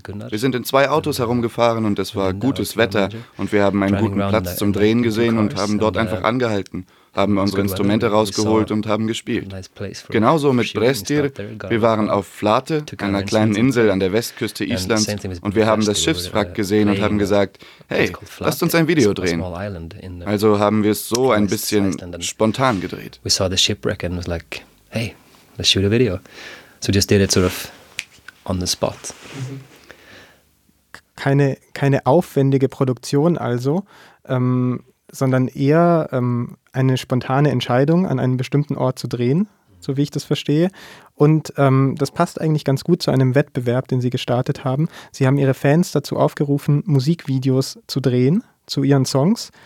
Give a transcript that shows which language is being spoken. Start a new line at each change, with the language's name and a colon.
German: Wir sind in zwei Autos herumgefahren und es war gutes Wetter und wir haben einen guten Platz zum Drehen gesehen und haben dort einfach angehalten, haben unsere Instrumente rausgeholt und haben gespielt. Genauso mit Brestir, wir waren auf Flate, einer kleinen Insel an der Westküste Islands, und wir haben das Schiffswrack gesehen und haben gesagt, hey, lasst uns ein Video drehen. Also haben wir es so ein bisschen spontan gedreht.
English: We saw the shipwreck and was like, hey, let's shoot a video. So just did it sort of on the spot.
German: Keine aufwendige Produktion also, sondern eher eine spontane Entscheidung, an einem bestimmten Ort zu drehen, so wie ich das verstehe. Und das passt eigentlich ganz gut zu einem Wettbewerb, den Sie gestartet haben. Sie haben Ihre Fans dazu aufgerufen, Musikvideos zu drehen zu Ihren Songs.